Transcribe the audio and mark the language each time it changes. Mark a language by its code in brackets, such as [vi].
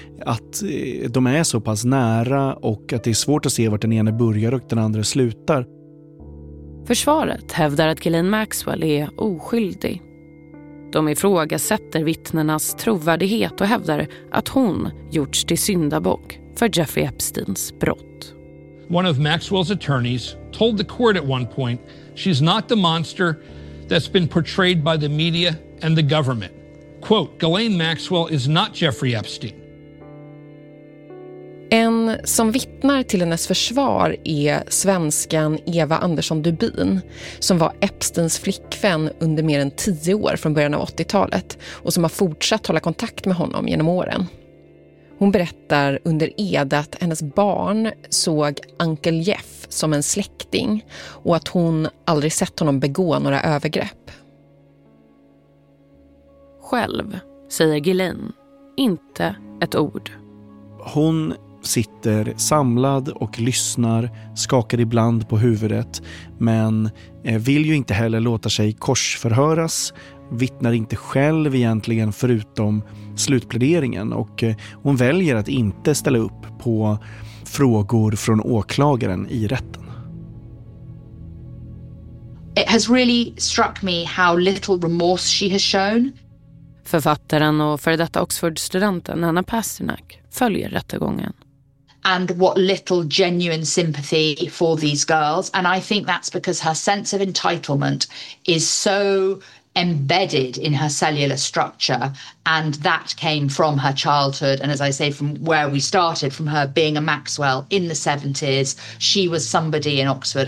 [sv] Att de är så pass nära och att det är svårt att se vart den ena börjar och den andra slutar. Försvaret hävdar att Ghislaine Maxwell är oskyldig. De ifrågasätter vittnenas trovärdighet och hävdar att hon gjorts till syndabock för Jeffrey Epsteins brott. [en] One of Maxwell's attorneys told the court at one point she's not the monster that's been portrayed by the media and the government. Quote, Ghislaine Maxwell is not Jeffrey Epstein. [sv] En som vittnar till hennes försvar är svenskan Eva Andersson Dubin som var Epsteins flickvän under mer än 10 år från början av 80-talet och som har fortsatt hålla kontakt med honom genom åren. Hon berättar under ed att hennes barn såg Uncle Jeff som en släkting och att hon aldrig sett honom begå några övergrepp. Själv, säger Ghislaine, inte ett ord. Hon sitter samlad och lyssnar, skakar ibland på huvudet, men vill ju inte heller låta sig korsförhöras, vittnar inte själv egentligen förutom slutpläderingen, och hon väljer att inte ställa upp på frågor från åklagaren i rätten. [en] It has really struck me how little remorse she has shown. [sv] Författaren och före detta Oxford-studenten Anna Pasternak följer rättegången. [en] And what little genuine sympathy for these girls. And I think that's because her sense of entitlement is so embedded in her cellular structure. And that came from her childhood. And as I say, from where we started, from her being a Maxwell in the 70s, she was somebody in Oxford.